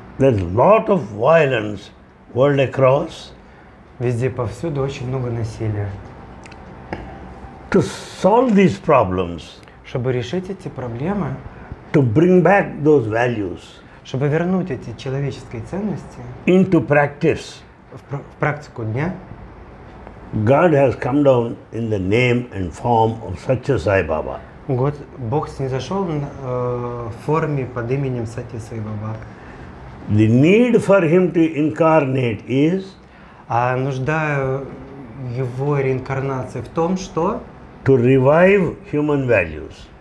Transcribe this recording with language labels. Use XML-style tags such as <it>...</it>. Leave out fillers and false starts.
<en>There's a lot of violence world across.</en> <ru>Везде, повсюду очень много насилия.</ru> <en>To solve these problems,</en> <ru>чтобы решить эти проблемы,</ru> <en>to bring back those values,</en> <ru>чтобы вернуть эти человеческие ценности</ru> <en>into practice,</en> <ru>в практику дня,</ru> <en>God has come down in the name and form of Satya Sai Baba.</en> <ru>Бог снизошел в форме под именем Сатья Сай Баба.</ru> <en>The need for him to incarnate is.</en> <ru>А нужда его реинкарнации в том, что</ru> <en>to revive human values.</en>